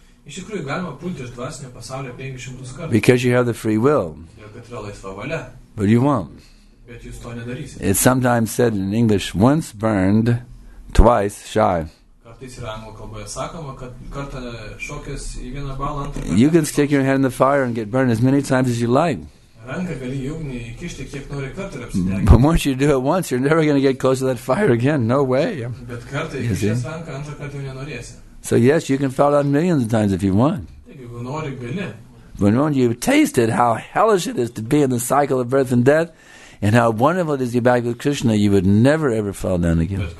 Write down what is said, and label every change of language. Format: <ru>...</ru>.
<lt>Iš tikrųjų, galima pulti iš dvasinio pasaulio 500 kartų.</lt> <en>Because you have the free will.</en> <lt>Jo, kad yra laisva valia.</lt> <en>But you won't.</en> <lt>Bet jūs to nedarysite.</lt> <en>It's sometimes said in English, once burned, twice shy.</en> <lt>Kartais yra anglų kalboje sakoma, kad kartą šokęs į vieną balą.</lt> <en>You can stick your hand in the fire and get burned as many times as you like.</en> <lt>Ranką gali į ugnį įkišti, kiek nori kartą ir apsidegti.</lt> <en>But once you do it once, you're never going to get close to that fire again. No way.</en> <lt>Bet kartą įkišęs ranką, antrą kartą jau nenorėsi.</lt> <en>So yes, you can fall down millions of times if you want. But when you've tasted how hellish it is to be in the cycle of birth and death, and how wonderful it is to be back with Krishna, you would never ever fall down again.</en>